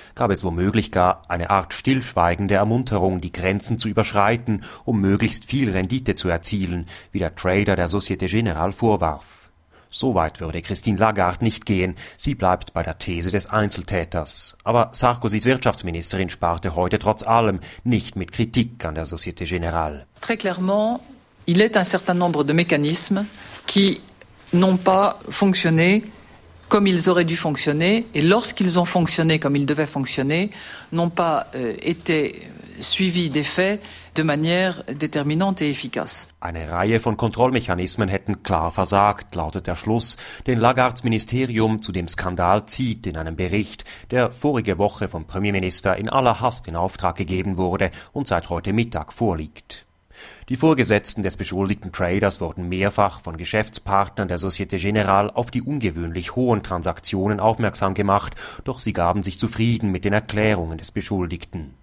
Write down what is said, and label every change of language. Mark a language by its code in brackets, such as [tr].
[de] Gab es womöglich gar eine Art stillschweigende Ermunterung, die Grenzen zu überschreiten, um möglichst viel Rendite zu erzielen, wie der Trader der Société Générale vorwarf? So weit würde Christine Lagarde nicht gehen, sie bleibt bei der These des Einzeltäters. Aber Sarkozys Wirtschaftsministerin sparte heute trotz allem nicht mit Kritik an der Société Générale. [fr] Très clairement, il est un certain nombre de mécanismes qui n'ont pas fonctionné comme ils auraient dû fonctionner et lorsqu'ils ont fonctionné comme ils devaient fonctionner, n'ont pas été suivis d'effet de manière déterminante et efficace. [de] Eine Reihe von Kontrollmechanismen hätten klar versagt, lautet der Schluss, den Lagardes Ministerium zu dem Skandal zieht in einem Bericht, der vorige Woche vom Premierminister in aller Hast in Auftrag gegeben wurde und seit heute Mittag vorliegt. Die Vorgesetzten des beschuldigten Traders wurden mehrfach von Geschäftspartnern der Société Générale auf die ungewöhnlich hohen Transaktionen aufmerksam gemacht, doch sie gaben sich zufrieden mit den Erklärungen des Beschuldigten.